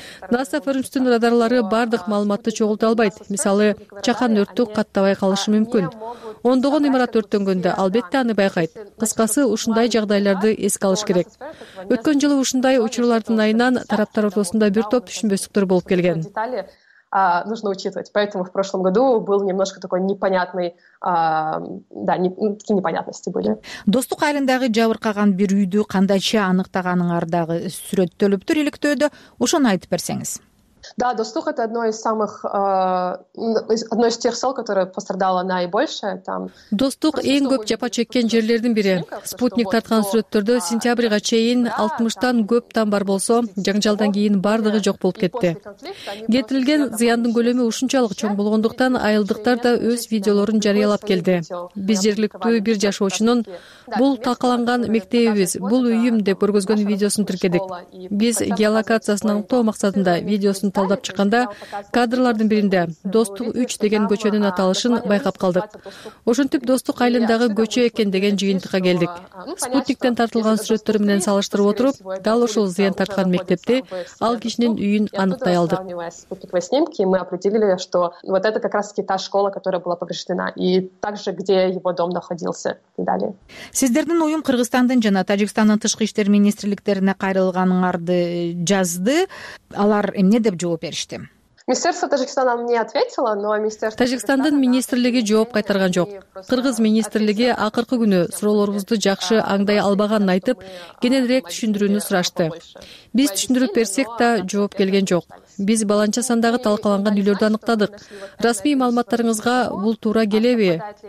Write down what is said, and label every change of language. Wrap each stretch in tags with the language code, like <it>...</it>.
<ky>NASA Frames'тин радарлары бардык маалыматты чогулта албайт. Мисалы, чакан өрттү каттабай калышы мүмкүн. Ондогон имарат өрттөнгөндө албетте аны байкайт. Кыскасы, ушундай жагдайларды эске алыш керек. Өткөн жылы ушундай учурлардын айынан тараптар ортосунда бир топ түшүнбөстүктөр болуп келген.</ky> <ru>Нужно учитывать. Поэтому в прошлом году был немножко такой непонятный, такие непонятности были.</ru> <ky>Достук айрындагы жабыркаган бир үйдү кандайча аныктаганыңар дагы сүрөттөлүптүр иликтөөдө. Ушуну айтып берсеңиз.</ky> <ru>Да, Достук это одно из тех сел, которое пострадало наибольше.</ru> <ky>Достук эң көп жапа чеккен жерлердин бири. Спутник тарткан сүрөттөрдө сентябрга чейин 60-тан көп тамбар болсо, жаңжалдан кийин бардыгы жок болуп кетти. Кетирилген зыяндын көлөмү ушунчалык чоң болгондуктан айылдыктар да өз видеолорун жарыялап келди. Биз жергиликтүү бир жашоочунун бул такаланган мектебибиз, бул үйүм деп көргөзгөн видеосун тиркедик. Биз геолокациясын аныктоо максатында видео талдап чыкканда кадрлардын биринде Достук 3 деген көчөнүн аталышын байкап калдык. Ошентип Достук айылындагы көчө экен деген жыйынтыкка келдик. Спутниктен тартылган сүрөттөр менен салыштырып отуруп, дал ошол зыян тарткан мектепти, ал кишинин үйүн аныктай алдык.</ky> <ru>Спутниковые снимки, мы определили, что вот это как раз-таки та школа, которая была повреждена, и также где его дом находился, и далее.</ru> <ky>Сиздердин уюм Кыргызстандын жана Тажикстандын тышкы иштер министрликтерине кайрылганыңарды жазды. Алар эмне деп жооп беришти?</ky> <ru>Министерство Тажикстана мне ответило, но министерство</ru> <ky>Тажикстандын министрлиги жооп кайтарган жок. Кыргыз министрлиги акыркы күнү суроолорубузду жакшы аңдай албаганын айтып, кененирээк түшүндүрүүнү сурашты. Биз түшүндүрүп берсек да жооп келген жок. Биз баланча сандагы талкаланган үйлөрдү аныктадык. Расмий маалыматтарыңызга бул туура келеби?</ky>